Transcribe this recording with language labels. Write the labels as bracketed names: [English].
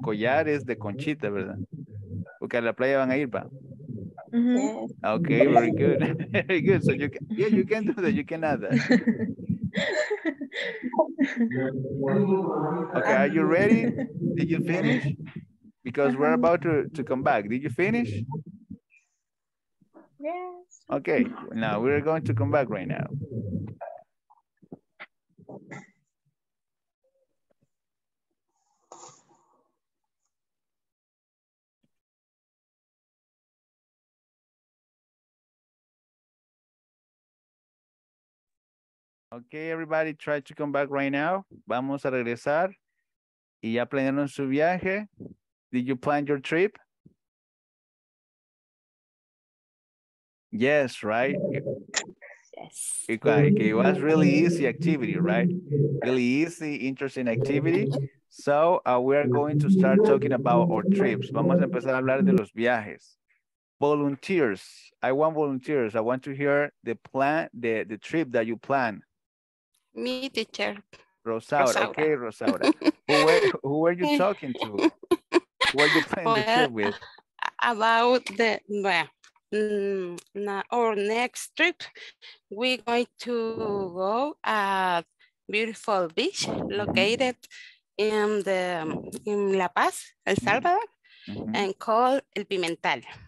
[Spanish] Collares de conchita, ¿verdad? Porque a la playa van a ir, ¿va? Mm-hmm. [English] Okay, very good. Very good. So you can, yeah, you can do that. You can add that. Okay, are you ready? Did you finish? Because we're about to come back. Did you finish? Yes. Okay, now we're going to come back right now. Okay, everybody, try to come back right now. [Spanish] Vamos a regresar. ¿Y ya planearon su viaje? [English] Did you plan your trip? Yes, right? Yes. It was really easy activity, right? Really easy, interesting activity. So we are going to start talking about our trips. [Spanish] Vamos a empezar a hablar de los viajes. [English] Volunteers. I want volunteers. I want to hear the plan, the trip that you plan. Me, teacher. Rosaura. Okay, Rosaura. who are you talking to? Who are you planning the trip with? About the, our next trip, we're going to go at beautiful beach located in La Paz, El Salvador, and called El Pimental.